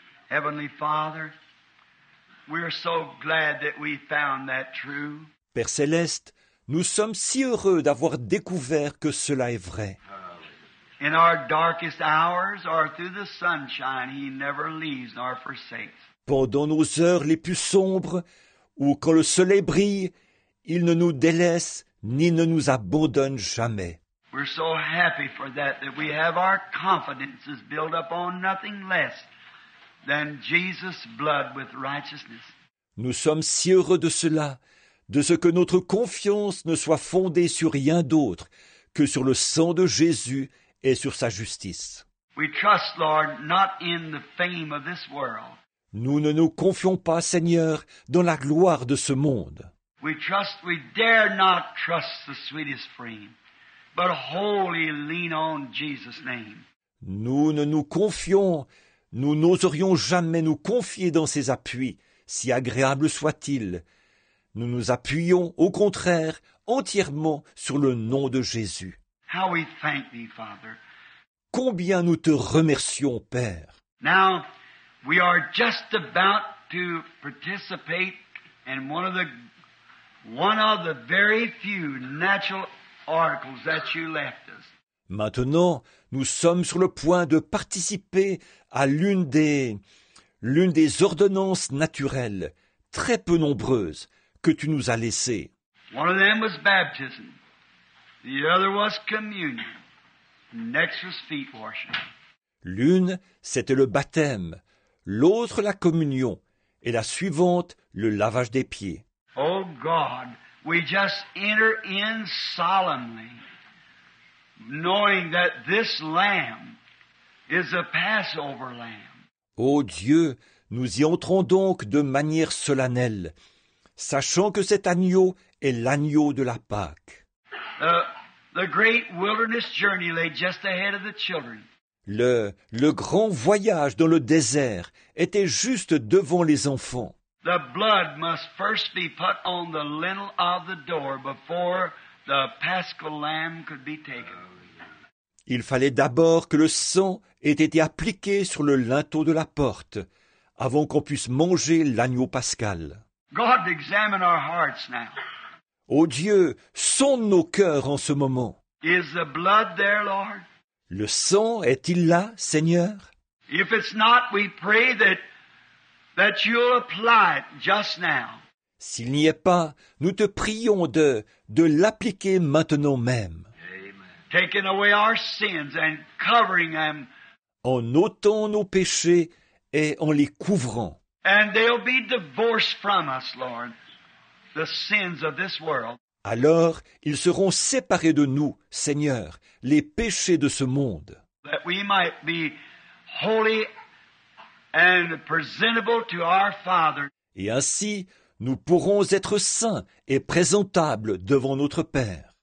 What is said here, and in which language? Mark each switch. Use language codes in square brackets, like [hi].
[en] Heavenly Father, we're so glad that we found that true. [fr] Père céleste, nous sommes si heureux d'avoir découvert que cela est vrai. [en] In our darkest hours or through the sunshine, he never leaves nor forsakes. [fr] Pendant nos heures les plus sombres ou quand le soleil brille, il ne nous délaisse ni ne nous abandonne jamais. [en] We're so happy for that that we have our confidences built up on nothing less. Than Jesus' blood with righteousness. [fr] Nous sommes si heureux de cela, de ce que notre confiance ne soit fondée sur rien d'autre que sur le sang de Jésus et sur sa justice. [en] We trust, Lord, not in the fame of this world. [fr] Nous ne nous confions pas, Seigneur, dans la gloire de ce monde. [en] We trust, we dare not trust the sweetest frame, but wholly lean on Jesus' name. [fr] Nous ne nous confions Nous n'oserions jamais nous confier dans ses appuis, si agréables soient-ils. Nous nous appuyons, au contraire, entièrement sur le nom de Jésus. [en] How we thank thee, Father. [fr] Combien nous te remercions, Père. [en] Now, we are just about to participate and one of the very few natural articles that you left us. [fr] Maintenant, nous sommes sur le point de participer à l'une des ordonnances naturelles, très peu nombreuses, que tu nous as laissées. [en] One of them was baptism. The other was communion. Next was feet washing. [fr] L'une, c'était le baptême. L'autre, la communion. Et la suivante, le lavage des pieds. [en] Oh God, we just enter in solemnly, knowing that this lamb is a Passover lamb. [fr] Oh Dieu, nous y entrons donc de manière solennelle, sachant que cet agneau est l'agneau de la Pâque. [en] The great wilderness journey lay just ahead of the children. [fr] Le grand voyage dans le désert était juste devant les enfants. [en] The blood must first be put on the lintel of the door before the paschal lamb could be taken. [fr] Il fallait d'abord que le sang ait été appliqué sur le linteau de la porte avant qu'on puisse manger l'agneau pascal. [en] God, examine our hearts now. [fr] Oh Dieu, sonde nos cœurs en ce moment. [en] Is the blood there, Lord? [fr] Le sang est-il là, Seigneur? [en] If it's not, we pray that you'll apply it just now. [fr] S'il n'y est pas, nous te prions de l'appliquer maintenant même. [en] Taking away our sins and covering them. [fr] En ôtant nos péchés et en les couvrant. [en] And they'll be divorced from us, Lord, the sins of this world. [fr] Alors, ils seront séparés de nous, Seigneur, les péchés de ce monde. [en] That we might be holy and presentable to our Father. [fr] Et ainsi, nous pourrons être saints et présentables devant notre Père.